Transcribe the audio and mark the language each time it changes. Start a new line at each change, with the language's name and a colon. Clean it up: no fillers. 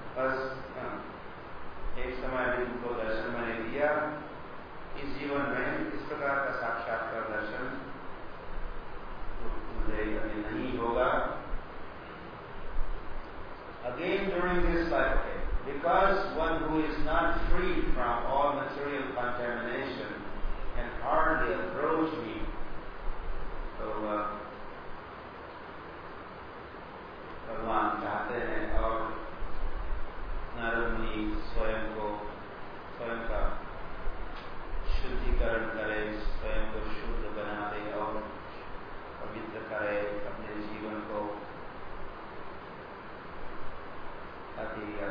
Hindi: बस एक समय में उनको दर्शन मैंने दिया, इस जीवन में इस प्रकार का साक्षात्कार दर्शन मुझे कभी नहीं होगा.
English: Again during this lifetime. Because one who is not free from all material contamination can hardly approach me.
Hindi: So, भगवान चाहते हैं और नारद मुनि स्वयं को, स्वयं का शुद्धिकरण करे, स्वयं को शुद्ध बना दे और पवित्र करे अपने जीवन को, अति